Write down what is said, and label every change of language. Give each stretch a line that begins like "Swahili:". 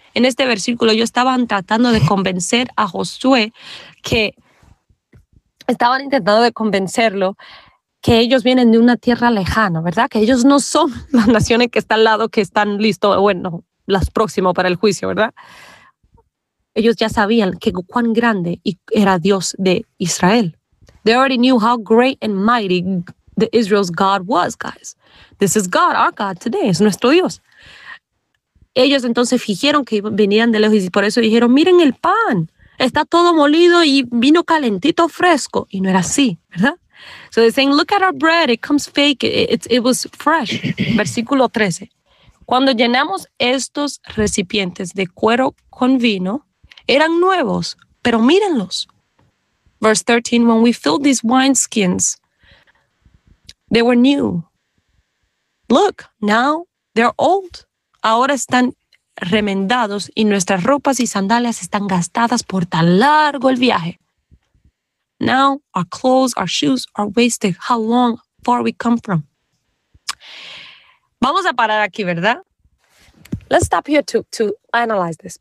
Spanish: En este versículo ellos estaban tratando de convencer a Josué que estaban intentando de convencerlo que ellos vienen de una tierra lejana, ¿verdad? Que ellos no son las naciones que están al lado, que están listos, bueno, las próximas para el juicio, ¿verdad? Ellos ya sabían que cuán grande era Dios de Israel.
English: They already knew how great and mighty the Israel's God was, guys. This is God, our God today.
Spanish: Es nuestro Dios. Ellos entonces fingieron que venían de lejos y por eso dijeron, miren el pan. Está todo molido y vino calentito, fresco. Y no era así, ¿verdad?
English: So they're saying, look at our bread. It comes fake. It was fresh.
Spanish: Versículo 13. Cuando llenamos estos recipientes de cuero con vino, eran nuevos, pero mírenlos.
English: Verse 13, when we filled these wineskins, they were new. Look, now they're old.
Spanish: Ahora están remendados y nuestras ropas y sandalias están gastadas por tan largo el viaje.
English: Now our clothes, our shoes are wasted. How long, far we come from.
Spanish: Vamos a parar aquí, ¿verdad?
English: Let's stop here to analyze this.